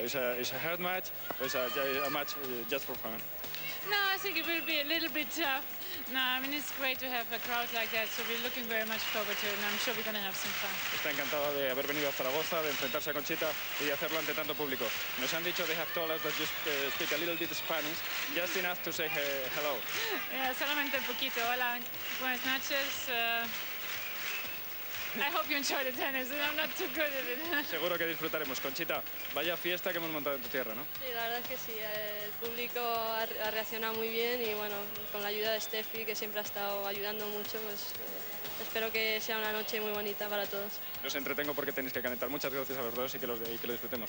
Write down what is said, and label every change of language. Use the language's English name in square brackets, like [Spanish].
[English] It's a hard match, it's a match just for fun. No, I think it will be a little bit tough. No, I mean, it's great to have a crowd like that, so we're looking very much forward to it, and I'm sure we're going to have some fun. [Spanish] Está encantada de haber venido a Zaragoza, de enfrentarse a Conchita y de hacerlo ante tanto público. Nos han dicho, [English] they have told us that you speak a little bit Spanish, just enough to say hello. [Spanish] Yeah, solamente un poquito. Hola, buenas noches. [English] I hope you enjoy the tennis, and I'm not too good at it. [Spanish] Seguro que disfrutaremos. Conchita, vaya fiesta que hemos montado en tu tierra, ¿no? Sí, la verdad es que sí. El público ha reaccionado muy bien y, bueno, con la ayuda de Steffi, que siempre ha estado ayudando mucho, pues espero que sea una noche muy bonita para todos. Los entretengo porque tenéis que calentar. Muchas gracias a los dos y que lo disfrutemos.